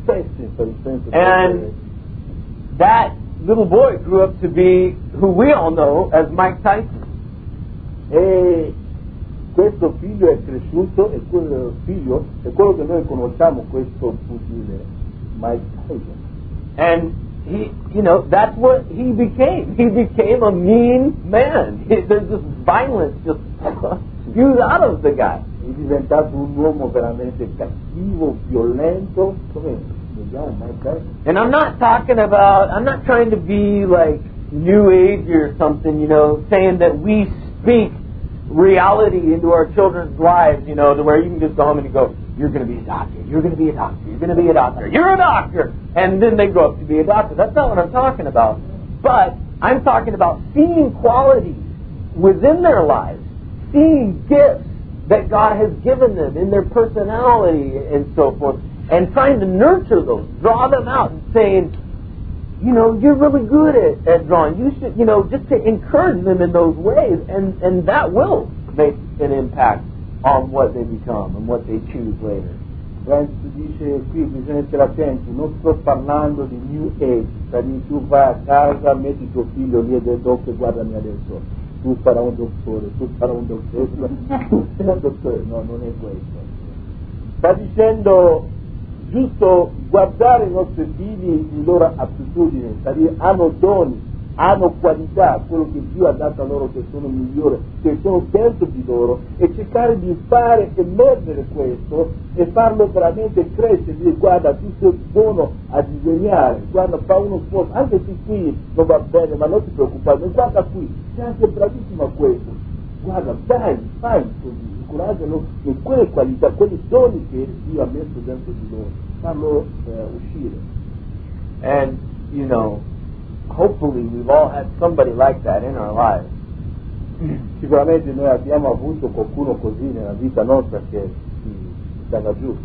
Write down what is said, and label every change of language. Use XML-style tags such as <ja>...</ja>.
<en>And that little boy grew up to be who we all know as Mike Tyson.</en> <it>E questo figlio è cresciuto e quello figlio è quello che noi conosciamo, questo pugile Mike Tyson.</it> <en>And he, you know, that's what he became. He became a mean man. There's this violence just spewed out of the guy.</en> <it>È diventato un uomo veramente cattivo, violento. Come?</it> <en>And I'm not trying to be like New Age or something, you know, saying that we speak reality into our children's lives, you know, to where you can just go home and you go, "You're going to be a doctor, you're going to be a doctor, you're going to be a doctor, you're a doctor," and then they grow up to be a doctor. That's not what I'm talking about. But I'm talking about seeing qualities within their lives, seeing gifts that God has given them in their personality and so forth, and trying to nurture those, draw them out, and saying, you know, "You're really good at drawing. You should," you know, just to encourage them in those ways, and that will make an impact on what they become and what they choose later.</en> <it>Francis dice qui, bisogna essere attenti, non sto parlando di New Age, quindi tu vai a casa, metti tuo figlio lì e dici, "Dottore, guardami adesso, tu farai un dottore, tu farai un dottore." Tu sei un dottore. No, non è questo. Sta dicendo giusto guardare i nostri figli in loro attitudine, cioè hanno doni, hanno qualità, quello che Dio ha dato a loro, che sono migliore, che sono dentro di loro, e cercare di fare e mettere questo e farlo veramente crescere, dire, "Guarda, tu sei buono a disegnare, guarda, fa uno sforzo, anche se qui non va bene, ma non ti preoccupare, guarda qui, sei anche bravissimo a questo, guarda, vai così." Incoraggiano che quelle qualità, quelle doni che Dio ha messo dentro di loro, fanno uscire.</it> <en>And, you know, hopefully we've all had somebody like that in our lives.</en> <it>Sicuramente noi abbiamo avuto qualcuno così nella vita nostra che è stata giù.</it>